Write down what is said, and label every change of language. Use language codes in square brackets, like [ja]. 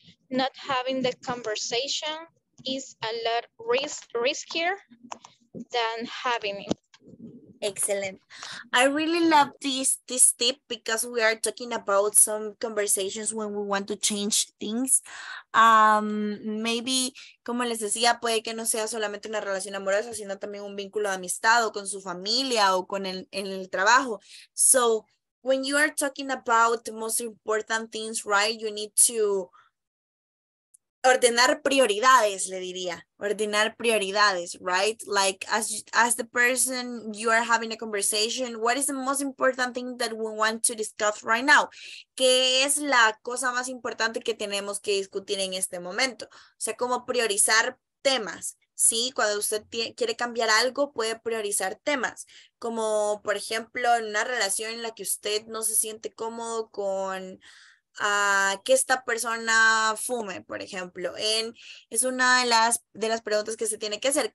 [en] Not having the conversation is a lot riskier than having it. Excellent. I really love this tip because we are talking about some conversations when we want to change things. [es] Maybe, como les decía, puede que no sea solamente una relación amorosa, sino también un vínculo de amistad o con su familia o con el, en el trabajo. [en] So, when you are talking about the most important things, right, you need to [es] ordenar prioridades, le diría. Ordenar prioridades, right? [en] Like, as the person you are having a conversation, what is the most important thing that we want to discuss right now? [es] ¿Qué es la cosa más importante que tenemos que discutir en este momento? O sea, como priorizar temas, ¿sí? Cuando usted quiere cambiar algo, puede priorizar temas. Como, por ejemplo, en una relación en la que usted no se siente cómodo con que esta persona fume, por ejemplo, es una de las preguntas que se tiene que hacer.